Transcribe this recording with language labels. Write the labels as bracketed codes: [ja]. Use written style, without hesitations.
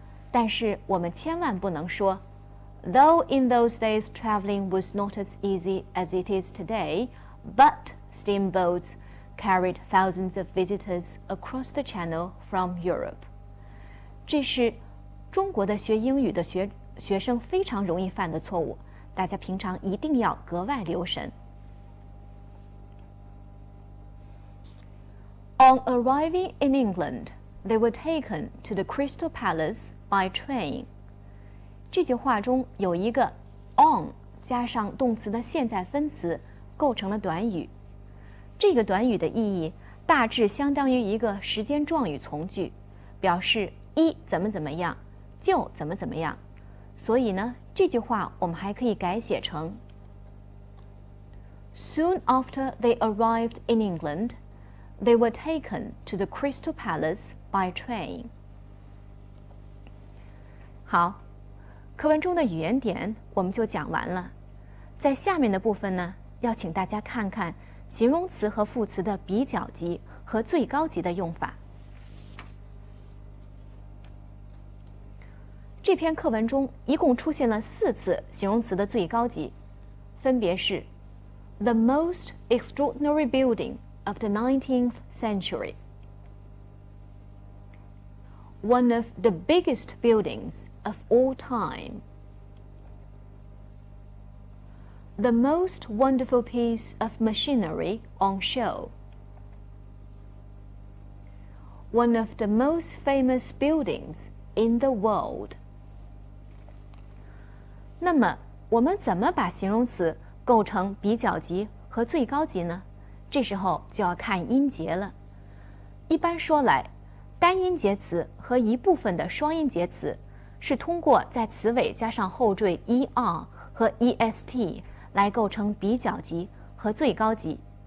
[zh] 但是我们千万不能说 [en] Though in those days, traveling was not as easy as it is today, but steamboats carried thousands of visitors across the channel from Europe. [zh] 这是中国的学英语的学生非常容易犯的错误，大家平常一定要格外留神。 [en] On arriving in England, they were taken to the Crystal Palace by train. [zh] 这句话中有一个 on 加上动词的现在分词构成了短语，这个短语的意义大致相当于一个时间状语从句，表示一怎么怎么样，就怎么怎么样。所以呢，这句话我们还可以改写成 [en] Soon after they arrived in England, they were taken to the Crystal Palace by train. [zh] 好，课文中的语言点我们就讲完了。在下面的部分呢，要请大家看看形容词和副词的比较级和最高级的用法。这篇课文中一共出现了四次形容词的最高级，分别是 [en] The most extraordinary building of the 19th century, One of the biggest buildings of all time, The most wonderful piece of machinery on show, One of the most famous buildings in the world. [zh] 那么我们怎么把形容词构成比较级和最高级呢？这时候就要看音节了。一般说来，单音节词和一部分的双音节词是通过在词尾加上后缀 er 和 est 来构成比较级和最高级。